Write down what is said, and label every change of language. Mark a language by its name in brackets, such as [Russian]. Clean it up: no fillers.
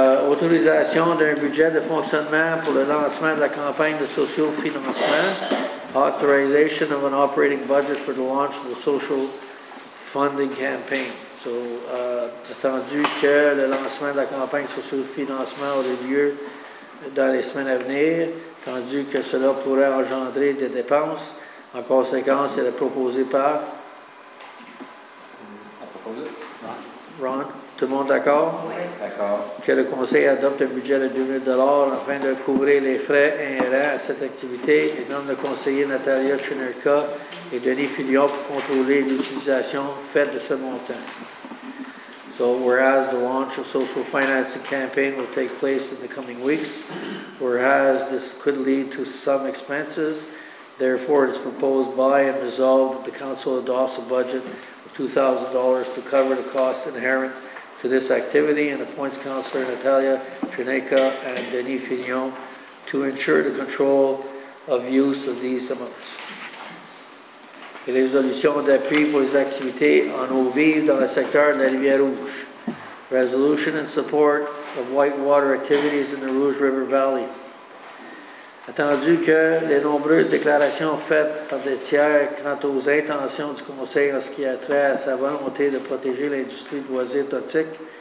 [French] Autorisation d'un budget de fonctionnement pour le lancement de la campagne de socio-financement. [English] Authorization of an operating budget for the launch of the social funding campaign. [French] So, attendu que le lancement de la campagne de socio-financement aurait lieu dans les semaines à venir, tandis que cela pourrait engendrer des dépenses. En conséquence, elle est proposée par... Ron, tout le monde d'accord? Oui. D'accord. Que le conseil adopte un budget de 2 000 afin de couvrir les frais inhérents à cette activité et nomme le conseiller Natalia Chinerka et Denis Fillion pour contrôler l'utilisation faite de ce montant. [English] So, whereas the launch of social financing campaign will take place in the coming weeks, whereas this could lead to some expenses, therefore it is proposed by and resolved that the Council adopts a budget of $2,000 to cover the costs inherent to this activity and appoints Councillor Natalia Trineka and Denis Fignon to ensure the control of use of these amounts. [French] Et les résolutions d'appui pour les activités en eau vive dans le secteur de la Rivière Rouge. [English] Resolution in support of whitewater activities in the Rouge River Valley. [French] Attendu que les nombreuses déclarations faites par des tiers quant aux intentions du Conseil en ce qui a trait à sa volonté de protéger l'industrie de loisirs nautiques